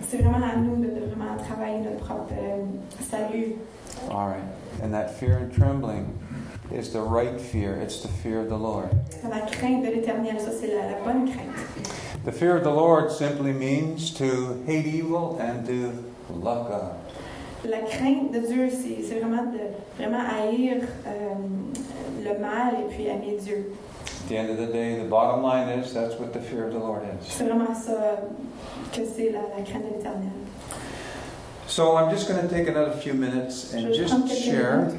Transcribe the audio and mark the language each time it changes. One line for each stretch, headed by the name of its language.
French: C'est vraiment à nous de vraiment travailler notre propre salut.
English: All right. And that fear and trembling is the right fear. It's the fear of the Lord.
French: La crainte de l'Éternel, ça c'est la bonne crainte.
English: The fear of the Lord simply means to hate evil and to love God.
French: La crainte de Dieu, c'est vraiment de vraiment haïr le mal et puis aimer Dieu.
English: At the end of the day, the bottom line is that's what the fear of the Lord is.
French: C'est vraiment ça que c'est la crainte de l'Éternel.
English: So I'm just going to take another few minutes and just share.